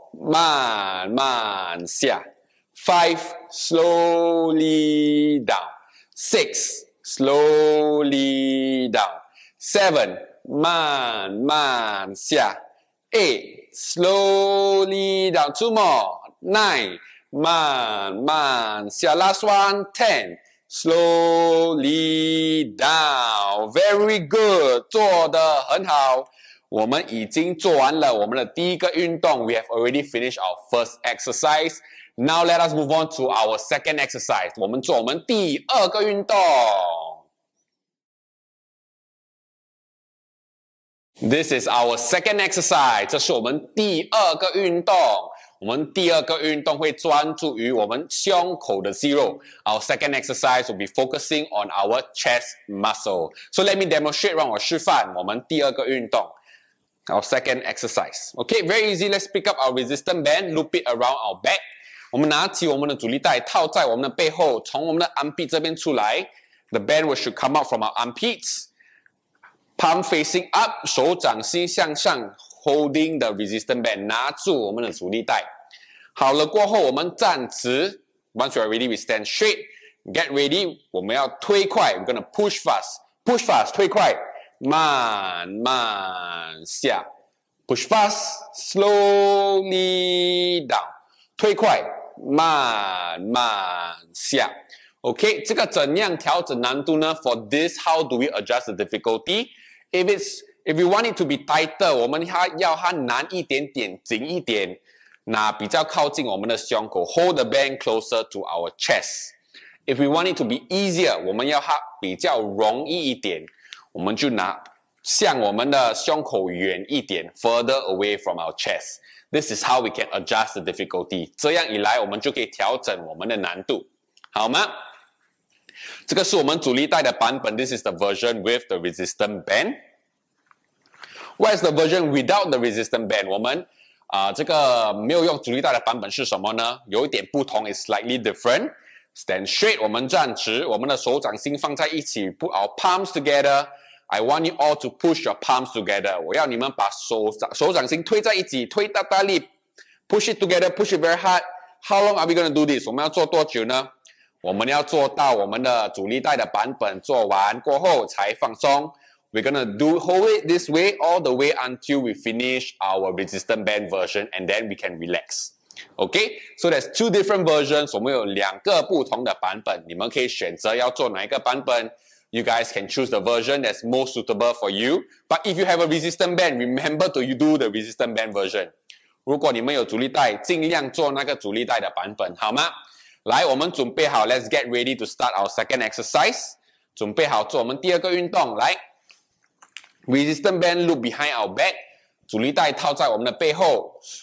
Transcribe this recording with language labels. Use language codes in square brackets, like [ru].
[zh] 慢慢下 [en] ，five slowly down, six slowly down, seven 慢慢下 ，eight slowly down, two more, nine 慢慢下 ，last one ten slowly down, very good, [zh] 做得很好。我们已经做完了我们的第一个运动 ， [en] We have already finished our first exercise. Now let us move on to our second exercise. [zh] 我们做我们第二个运动。 [en] This is our second exercise. [zh] 这是我们第二个运动。我们第二个运动会专注于我们胸口的肌肉。 [en] Our second exercise will be focusing on our chest muscle. So let me demonstrate. [zh] 让我示范我们第二个运动。 [en] Our second exercise. Okay, very easy. Let's pick up our resistance band, loop it around our back. [zh] 我们拿起我们的阻力带，套在我们的背后，从我们的 [en] armpit [zh] 这边出来。 [en] The band should come out from our armpits. Palm facing up, [zh] 手掌心向上 [en] ，holding the resistance band, [zh] 拿住我们的阻力带。好了过后，我们站直。 [en] Once you are ready, we stand straight. Get ready. [zh] 我们要推快 [en] ，we're gonna push fast. Push fast, 推快。慢慢下 ，push fast, slowly down, [zh] 推快，慢慢下。 OK， 这个怎样调整难度呢 [en] ？For this, how do we adjust the difficulty? If we want it to be tighter, [zh] 我们要它难一点点，紧一点，那比较靠近我们的胸口 [en] ，hold the band closer to our chest. If we want it to be easier, [zh] 我们要它比较容易一点。我们就拿向我们的胸口远一点 ， [en] further away from our chest. This is how we can adjust the difficulty. [zh] 这样一来，我们就可以调整我们的难度，好吗？这个是我们阻力带的版本。 [en] This is the version with the resistance band. Where's the version without the resistance band? [zh] 我们这个没有用阻力带的版本是什么呢？有一点不同 ， [en] is slightly different. Stand straight, [zh] 我们站直，我们的手掌心放在一起 ， [en] put our palms together. I want you all to push your palms together. [zh] 我要你们把手掌心推在一起，推大大力 ， [en] push it together, push it very hard. How long are we going to do this? [zh] 我们要做多久呢？我们要做到我们的阻力带的版本做完过后才放松。 [en] We're going to do hold it this way all the way until we finish our resistance band version, and then we can relax. Okay, so there's two different versions. [zh] 我们有两个不同的版本，你们可以选择要做哪一个版本。 [en] You guys can choose the version that's most suitable for you. But if you have a resistance band, remember to do the resistance band version. [zh] 如果你们有阻力带，尽量做那个阻力带的版本，好吗？来，我们准备好 [en] ，Let's get ready to start our second exercise. [zh] 准备好做我们第二个运动。 [en] 来 ，resistance band loop behind our back, [zh] 阻力带套在我们的背后。